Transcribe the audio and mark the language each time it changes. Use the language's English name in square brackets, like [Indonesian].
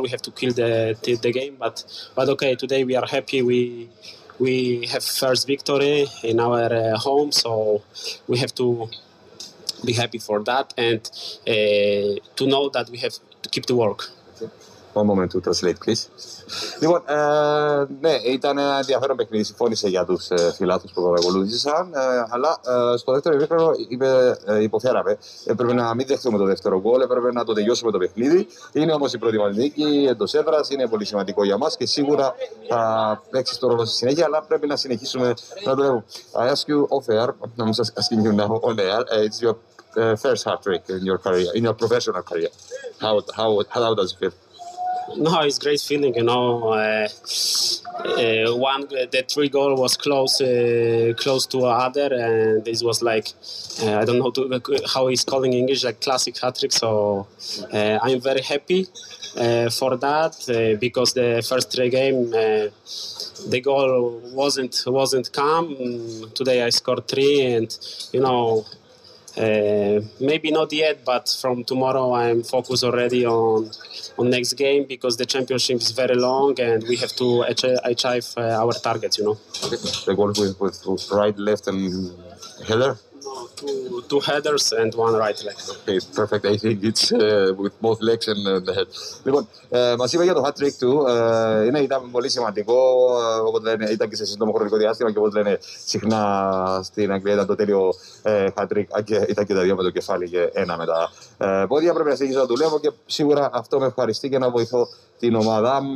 [English] We have to kill the game, but okay, today we are happy. We have first victory in our home, so we have to be happy for that, and to know that we have to keep the work. One moment to translate, please. [Greek] Λοιπόν, ναι, ήταν ένα ενδιαφέρον παιχνίδι. Συμφώνησε για τους φιλάθλους που παρακολούθησαν. Αλλά στο δεύτερο ημίχρονο υποφέραμε. Έπρεπε να μην δεχτούμε το δεύτερο γκολ, έπρεπε να το τελειώσουμε το παιχνίδι. Είναι όμως η πρώτη μας νίκη εντός έδρας, είναι πολύ σημαντικό για μας και σίγουρα θα παίξει το ρόλο στη συνέχεια. Αλλά πρέπει να συνεχίσουμε να το έχουμε. [English] I ask you off air, [Greek] να μην σας [English] asking you now on air, it's your first hat trick in your career, in your professional career. How does it feel? No, it's a great feeling, you know. One, the three goal was close to other, and this was like, I don't know how he's calling English, like classic hat-trick. So I'm very happy for that, because the first three game, the goal wasn't come. Today I scored three, and you know, maybe not yet, but from tomorrow I'm focused already on next game, because the championship is very long and we have to achieve our targets, you know. Okay. The goal with right, left and header? No, two headers and one right leg. Okay, perfect. I think it's with both legs and the head. [Greek] Λοιπόν, μας είπα για το hat-trick του. Ήταν πολύ σημαντικό, όπως λένε, ήταν και σε σύντομο χρονικό διάστημα και όπως λένε συχνά στην Αγγλία, ήταν το τέλειο hat-trick. Ήταν και τα δύο με το κεφάλι και ένα με τα πόδια. Πρέπει να συνεχίσω να δουλεύω και σίγουρα αυτό με ευχαριστεί και να βοηθώ την ομάδα.